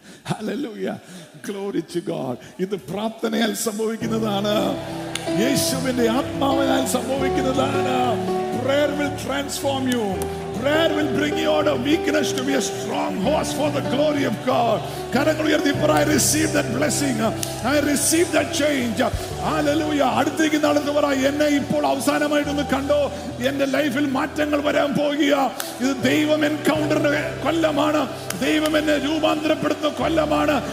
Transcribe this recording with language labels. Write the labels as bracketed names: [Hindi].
[English] Hallelujah. Glory to God. [Malayalam] ഇത് പ്രാർത്ഥനയാൽ സംഭവിക്കുന്നതാണ്, യേശുവിന്റെ ആത്മാവിനാൽ സംഭവിക്കുന്നതാണ്. [English] Prayer will transform you. Prayer will bring you out of weakness to be a strong horse for the glory of God. [Malayalam] കരങ്ങൾ ഉയർത്തി പറയ, [English] I receive that blessing. I receive that change. Hallelujah. [Malayalam] അടുത്തേക്ക് നടന്നു പറ, എന്നെ ഇപ്പോൾ അവസാനമായിട്ടൊന്ന് കണ്ടോ, എന്റെ ലൈഫിൽ മാറ്റങ്ങൾ വരാൻ പോകുക. ഇത് ദൈവം എൻകൗണ്ടറിന്റെ കൊല്ലമാണ്, ദൈവം എന്നെ രൂപാന്തരപ്പെടുത്തുന്ന കൊല്ലമാണ്.